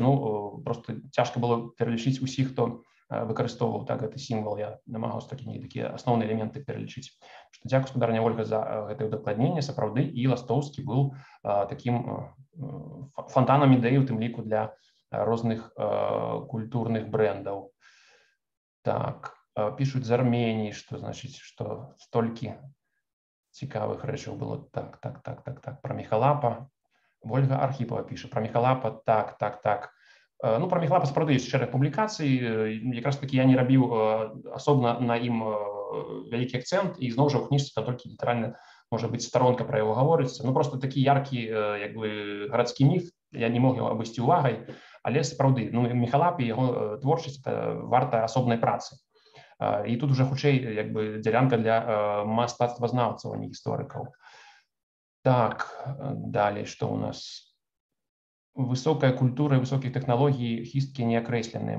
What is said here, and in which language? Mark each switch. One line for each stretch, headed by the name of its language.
Belarusian: Ну, просто цяжка было пералічыць усіх, хто выкарыстоўваў так гэты сімвал. Я намагаўся такі нейкі асноўныя элементы пералічыць. Што дзякуй, спадарня Ольга, за гэтае ўдакладненне. Сапраўды, і Ластоўскі быў такім фантанам ідэі, у тым ліку, для розных культурных брэндаў. Так.
Ukrainian: Пишуть з Арменії, що значить, що стільки цікавих речей було. Так. Про Міхалапа. Ольга Архіпова пише. Про Міхалапа. Так. Ну, про Міхалапа справді є шерех публікацій. Якраз таки я не робив особливо на їм великий акцент. І знову ж у книжці там тільки літерально, може бути, сторонка про його говориться. Ну, просто такий яркий, якби, городський міф. Я не мог його обвести увагою. Але справді, ну, Міхалап і його творчість – це варта особної праці.
Belarusian: І тут уже хутчэй як бы дзялянка для мастацтвазнаўцаў, а не гісторыкаў. Так, далі, што ў нас? Высокая культура і высокія тэхналогіі хісткі не акрэсленыя.